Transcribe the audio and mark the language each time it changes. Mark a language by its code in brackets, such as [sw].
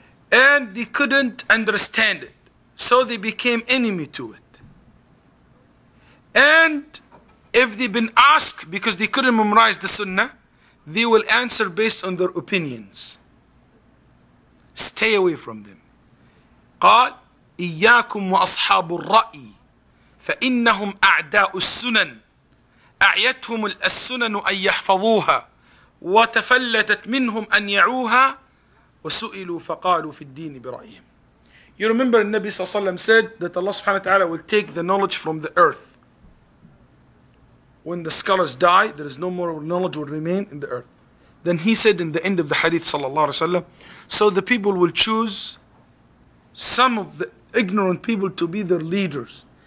[en] And they couldn't understand it. So they became enemy to it. And if they've been asked, because they couldn't memorize the sunnah, they will answer based on their opinions. Stay away from them. [ar] قال إياكم وأصحاب الرأي فإنهم أعداء السنن أعيتهم السنن أن يحفظوها وتفلتت منهم أن يعوها وسئلوا فقالوا في الدين برأيهم. [en] You remember [ar] النبي صلى الله عليه وسلم [en] said that Allah subhanahu wa ta'ala will take the knowledge from the earth. When the scholars die, there is no more knowledge will remain in the earth. Then he said in the end of the hadith sallallahu alaihi wasallam, so the people will choose some of the ignorant people to be their leaders.